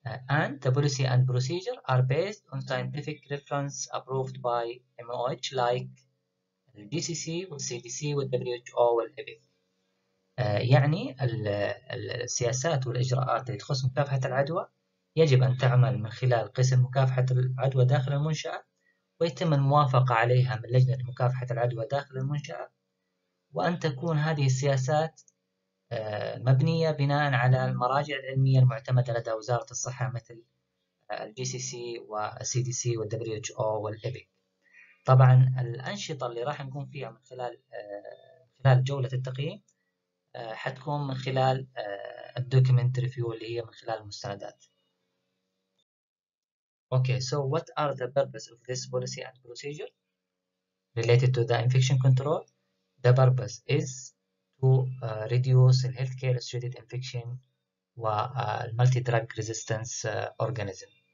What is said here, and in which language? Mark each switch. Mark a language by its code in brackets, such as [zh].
[en] And the policy and procedure are based on scientific reference approved by MOH like the GCC والCDC والWHO والEPIC. [ar] يعني السياسات والإجراءات اللي تخص مكافحة العدوى يجب أن تعمل من خلال قسم مكافحة العدوى داخل المنشأة ويتم الموافقة عليها من لجنة مكافحة العدوى داخل المنشأة وأن تكون هذه السياسات مبنية بناء على المراجع العلمية المعتمدة لدى وزارة الصحة مثل الـ GCC والـ CDC والـ WHO والـ EPIC. طبعا الأنشطة اللي راح نقوم فيها من خلال جولة التقييم حتكون من خلال الـ Document Review اللي هي من خلال المستندات. [en] Okay, so what are the purpose of this policy and procedure related to the infection control? The purpose is to reduce the healthcare associated infection and multi-drug resistance organism.